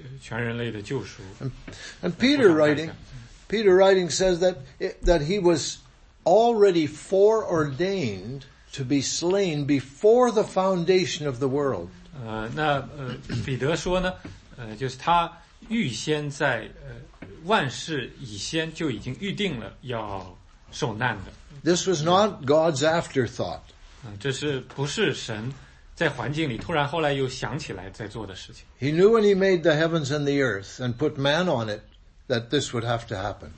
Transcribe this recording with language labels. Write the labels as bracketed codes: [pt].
[en] And Peter writing says that he was already foreordained to be slain before the foundation of the world. [zh] 那彼得说呢，就是他预先在万事以先就已经预定了要受难的。 [en] This was not God's afterthought. [zh] 这是不是神。在环境里突然后来又想起来在做的事情。 [en] He knew when he made the heavens and the earth and put man on it that this would have to happen.